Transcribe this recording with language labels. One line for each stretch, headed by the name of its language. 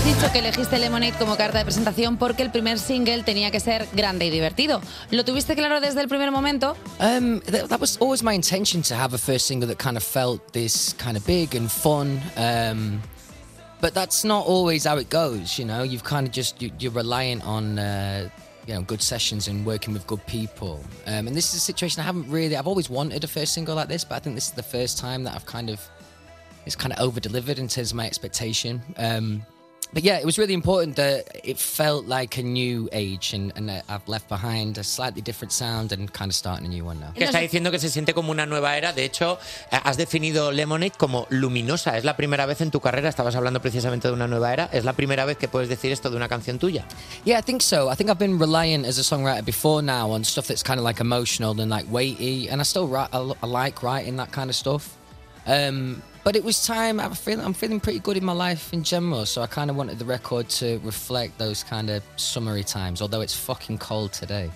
Spanish: Que elegiste Lemonade como carta de presentación porque el primer single tenía que ser grande y divertido. ¿Lo tuviste claro desde el primer momento?
English: That was always my intention to have a first single that kind of felt this kind of big and fun. But that's not always how it goes, you know. You've kind of just you're reliant on you know, good sessions and working with good people. And this is a situation I've always wanted a first single like this, but I think this is the first time that I've kind of it's kind of over-delivered in terms of my expectation. But yeah, it was really important that it felt like a new age and I've left behind a slightly different sound and kind of starting a new one now.
Spanish: Que está diciendo que se siente como una nueva era. De hecho, has definido Lemonade como luminosa. Es la primera vez en tu carrera, estabas hablando precisamente de una nueva era. Es la primera vez que puedes decir esto de una canción tuya.
English: Yeah, I think so. I think I've been reliant as a songwriter before now on stuff that's kind of like emotional and like weighty. And I still like writing that kind of stuff. But it was time. I'm feeling pretty good in my life in general, so I kind of wanted the record to reflect those kind of summery times, although it's fucking cold today.